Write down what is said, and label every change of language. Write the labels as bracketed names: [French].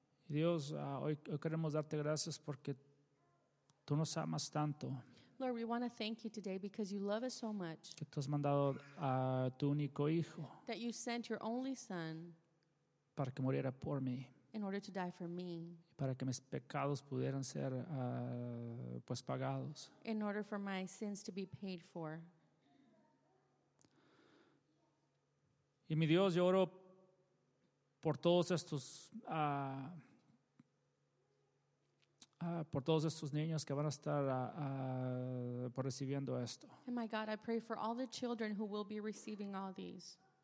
[Spanish] Dios, hoy queremos darte gracias porque tú nos amas tanto. [English] Lord, we want to thank you today because you love us so much. [Spanish] Que tú has mandado a tu único hijo. [English] That you sent your only son. [Spanish] Para que muriera por mí. [English] In order to die for me. [Spanish] Para que mis pecados pudieran ser pues pagados. [English] In order for my sins to be paid for. [Spanish] Y mi Dios, yo oro por todos estos niños que van a estar por recibiendo esto. [English] And my God, I pray for all the children who will be receiving all these.